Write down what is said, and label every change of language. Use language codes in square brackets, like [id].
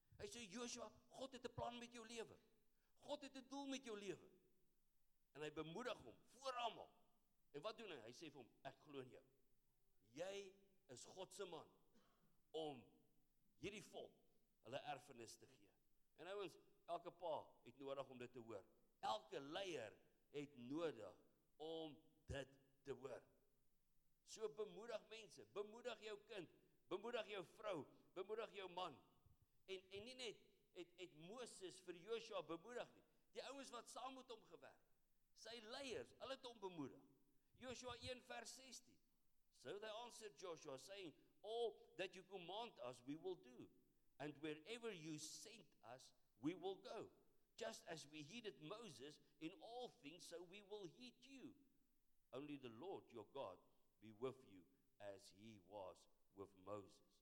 [af] Hy sê, Joshua, God het 'n plan met jou lewe. God het 'n doel met jou lewe. En hy bemoedig hom, voor almal. En wat doen hy? Hy sê vir hom, ek glo in jou. Jy is God se man om hierdie volk hulle erfenis te gee. En ouens, elke pa het nodig om dit te hoor. Elke leier het nodig om dit te hoor. So bemoedig mense, bemoedig jou kind, bemoedig jou vrou, bemoedig jou man. En nie net het Moses vir Joshua bemoedig nie. Die ouens wat saam met hom gewerk, sy leiers, hulle het hom bemoedig. Joshua 1 vers 16. [en] So they answered Joshua saying, all that you command us we will do, and wherever you send us we will go, just as we heeded Moses in all things, so we will heed you. Only the Lord your God be with you as he was with Moses.